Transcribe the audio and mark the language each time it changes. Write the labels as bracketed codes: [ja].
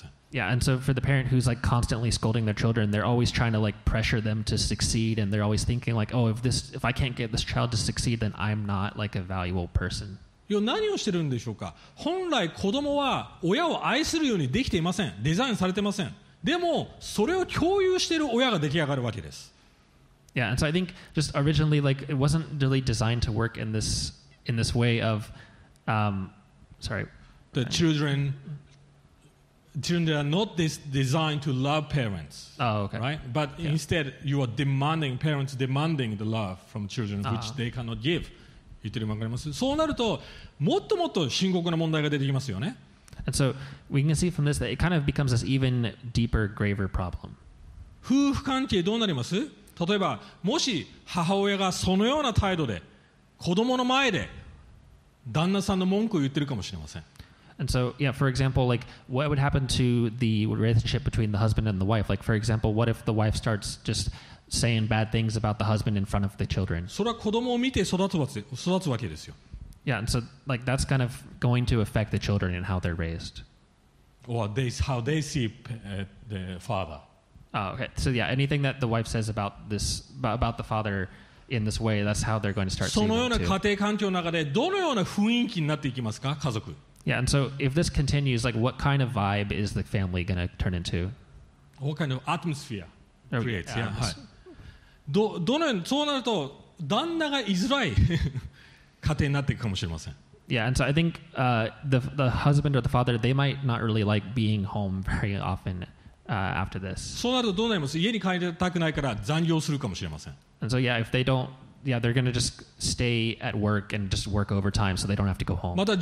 [en] Yeah, and so for the parent who's like constantly scolding their children, they're always trying to like pressure them to succeed, and they're always thinking like, oh, if I can't get this child to succeed, then I'm not like a valuable person. [ja] 何をしてるんでしょうか。本来子供は親を愛するようにできていません。デザインされてません。でもそれを共有している親が出来上がるわけです。 [en] Yeah, and so I think just originally like it wasn't really designed to work in this way of, sorry, the children. Children are not designed to love parents. Oh, okay. Right? But yeah. Instead, you are demanding, parents demanding the love from children, which they cannot give. [ja] 言ってるのがあります。そうなると、もっともっと深刻な問題が出てきますよね。 [en] And so, we can see from this that it kind of becomes this even deeper, graver problem. [ja] 夫婦関係どうなります？例えば、もし母親がそのような態度で、子供の前で、旦那さんの文句を言ってるかもしれません。 [en] And so, yeah, for example, like, what would happen to the relationship between the husband and the wife? Like, for example, what if the wife starts just saying bad things about the husband in front of the children? [ja] それは子供を見て育つわけですよ。 [en] Yeah, and so, like, that's kind of going to affect the children and how they're raised. How they see the father. Oh, okay. So, yeah, anything that the wife says about the father in this way, that's how they're going to start seeing it too. Yeah, and so if this continues, like what kind of vibe is the family going to turn into? What kind of atmosphere creates? [ja] どのようにそうなると旦那が居づらい家庭になっていくかもしれません。 [en] Yeah, and so I think the husband or the father, they might not really like being home very often after this. [ja] そうなるとどうなります？家に帰りたくないから残業するかもしれません。 [en] And so yeah, if they don't, yeah, they're gonna just stay at work and just work overtime so they don't have to go home.